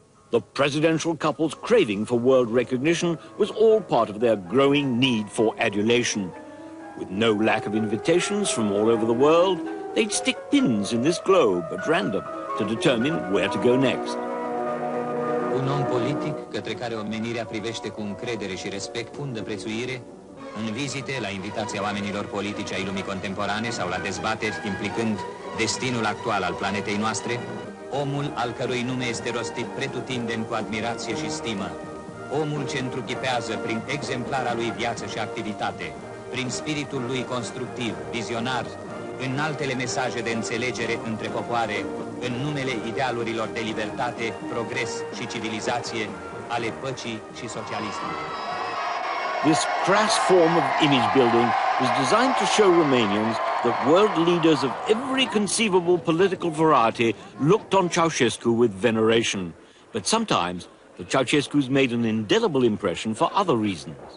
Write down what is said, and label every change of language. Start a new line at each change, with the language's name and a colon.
English: The presidential couple's craving for world recognition was all part of their growing need for adulation. With no lack of invitations from all over the world, they'd stick pins in this globe at random to determine where to go next.
Romanian: Un om politic către care omenirea privește cu încredere și respect fundă prețuire, în vizite, la invitația oamenilor politici ai lumii contemporane sau la dezbateri implicând destinul actual al planetei noastre, omul al cărui nume este rostit pretutindeni cu admirație și stimă. Omul ce întruchipează prin exemplara lui viață și activitate, prin spiritul lui constructiv, vizionar, în altele mesaje de înțelegere între popoare, în numele idealurilor de libertate, progres și civilizație, ale păcii și socialismului.
English: This crass form of image building was designed to show Romanians that world leaders of every conceivable political variety looked on Ceaușescu with veneration. But sometimes, the Ceaușescu's made an indelible impression for other reasons.